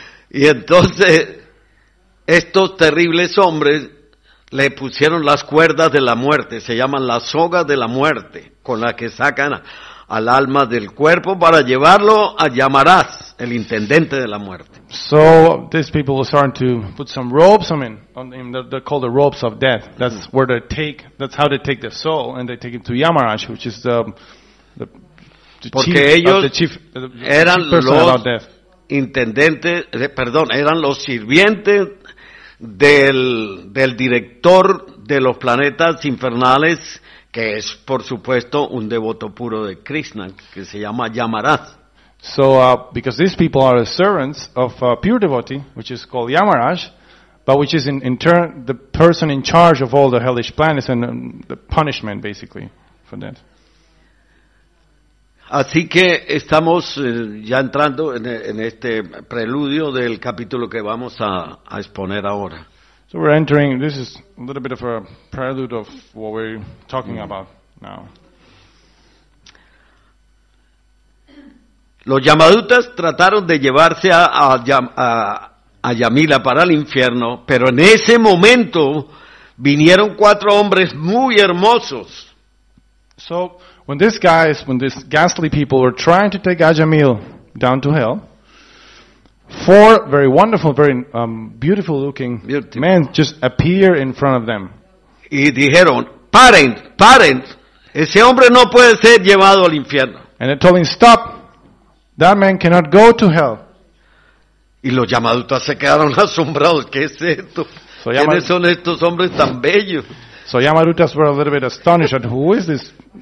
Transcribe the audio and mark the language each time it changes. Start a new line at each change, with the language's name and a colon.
Spanish: Y entonces, estos terribles hombres le pusieron las cuerdas de la muerte, se llaman las sogas de la muerte, con la que sacan al alma del cuerpo para llevarlo a Llamarás, el intendente de la muerte.
English: So these people are starting to put some ropes. I mean, on them, they're called the ropes of death. That's where they take. That's how they take the soul, and they take it to Llamarás, which is the chief,
Spanish: ellos
English: the chief, eran the chief person about death.
Spanish: Intendente, perdón, eran los sirvientes del director de los planetas infernales, que es por supuesto un devoto puro de Krishna, que se llama Llamarás.
English: So because these people are the servants of a pure devotee, which is called Llamarás, but which is in turn the person in charge of all the hellish planets and the punishment basically for that.
Spanish: Así que estamos ya entrando en este preludio del capítulo que vamos a exponer ahora.
English: So we're entering, this is a little bit of a prelude of what we're talking about now.
Spanish: Los Yamadutas trataron de llevarse a Yamila para el infierno, pero en ese momento vinieron cuatro hombres muy hermosos.
English: So, when these ghastly people were trying to take Ajamil down to hell, four very wonderful, very beautiful looking men just appear in front of them.
Spanish: Y dijeron, paren, paren, ese hombre no puede ser llevado al infierno.
English: And they told him, stop, that man cannot go to hell.
Spanish: Y los Yamadutas se quedaron asombrados, ¿qué es esto? So ¿quiénes son estos hombres tan bellos?
English: So Yamadutas were a little bit astonished at who is this?